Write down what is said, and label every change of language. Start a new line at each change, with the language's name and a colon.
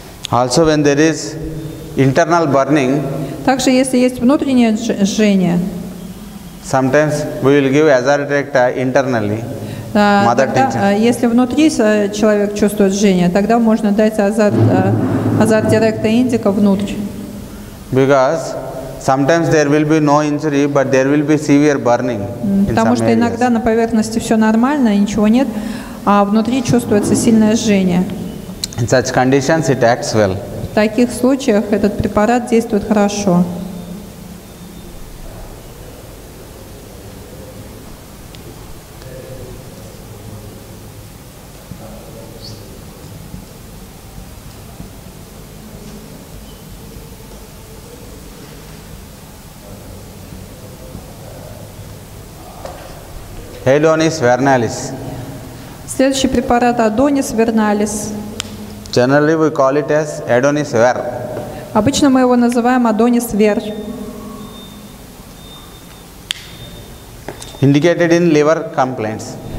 English: Also, when there is internal burning,
Russian: также если есть внутреннее жжение,
English: sometimes we will give azadirachta internally. Mother tincture.
Russian: Если внутри человек чувствует жжение, тогда можно дать азадирахта индика внутрь.
English: Because sometimes there will be no injury, but there will be severe burning.
Russian: Потому что иногда на поверхности все нормально, ничего нет, а внутри чувствуется сильное жжение.
English: In such conditions, it acts well.
Russian: В таких случаях этот препарат действует хорошо.
English: Adonis vernalis.
Russian: Следующий препарат Adonis vernalis.
English: Generally we call it as Adonis ver.
Russian: Обычно мы его называем Adonis ver.
English: Indicated in liver complaints.